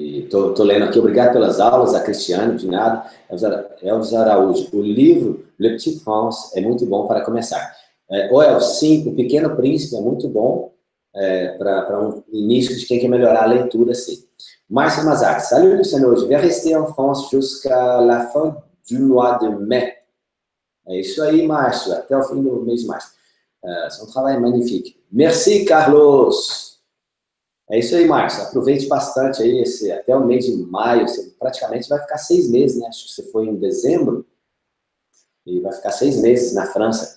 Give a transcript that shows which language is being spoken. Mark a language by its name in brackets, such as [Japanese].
[Portuguese] Tô lendo aqui. Obrigado pelas aulas, a Cristiane, de nada. Elza Araújo. O livro Le Petit Prince é muito bom para começar. Sim, O Pequeno Príncipe é muito bom para um início de quem quer melhorar a leitura, sim. Márcio Mazar. Salut, Luciano. [French] Vais rester en France jusqu'à la fin du mois de mai. [Portuguese] É isso aí, Márcio. Até o fim do mês de março. Seu trabalho é magnífico. Merci, Carlos. É isso aí, Márcio. Aproveite bastante aí até o mês de maio. Você praticamente vai ficar 6 meses, né? Acho que você foi em dezembro. E vai ficar 6 meses na França.